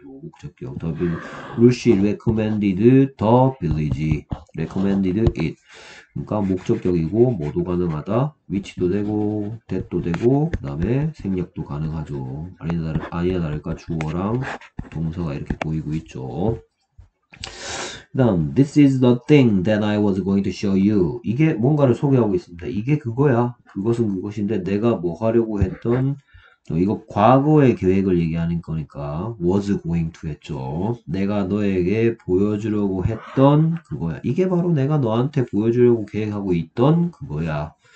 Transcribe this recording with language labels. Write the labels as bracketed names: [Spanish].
[Korean] 목적격. [English] Lucy recommended the village. Recommended it. [Korean] 그러니까 목적격이고 뭐도 가능하다. 위치도 되고 that도 되고 그다음에 생략도 가능하죠. 아니나 다를까 주어랑 동사가 이렇게 보이고 있죠. 그다음 [English] this is the thing that I was going to show you. [Korean] 이게 뭔가를 소개하고 있습니다. 이게 그거야. 그것은 그것인데 내가 뭐 하려고 했던 이거 과거의 계획을 얘기하는 거니까 [English] was going to [Korean] 했죠. 내가 너에게 보여주려고 했던 그거야. 이게 바로 내가 너한테 보여주려고 계획하고 있던 그거야.